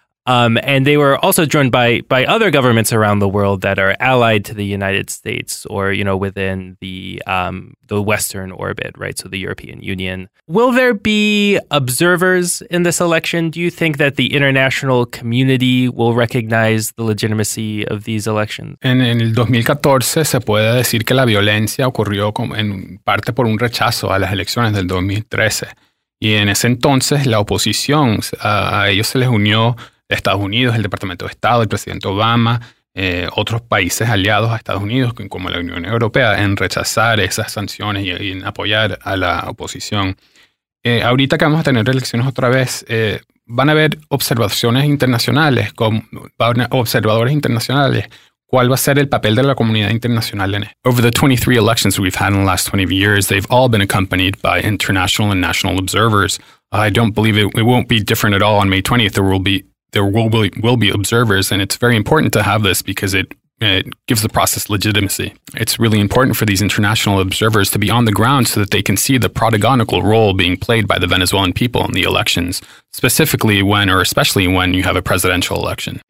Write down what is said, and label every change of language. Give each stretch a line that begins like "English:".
English: And they were also joined by other governments around the world that are allied to the United States or, you know, within the Western orbit, right? So the European Union. Will there be observers in this election? Do you think that the international community will recognize the legitimacy of these elections?
Spanish: En el 2014 se puede decir que la violencia ocurrió en parte por un rechazo a las elecciones del 2013. Y en ese entonces la oposición a ellos se les unió Estados Unidos, el Departamento de Estado, el presidente Obama, otros países aliados a Estados Unidos, como la Unión Europea, en rechazar esas sanciones y en apoyar a la oposición. Ahorita que vamos a tener elecciones otra vez, van a haber observaciones internacionales, ¿cuál va a ser el papel de la comunidad internacional en esto?
English: Over the 23 elections we've had in the last 20 years, they've all been accompanied by international and national observers. I don't believe it won't be different at all on May 20th. There will be observers, and it's very important to have this because it gives the process legitimacy. It's really important for these international observers to be on the ground so that they can see the protagonical role being played by the Venezuelan people in the elections, especially when you have a presidential election.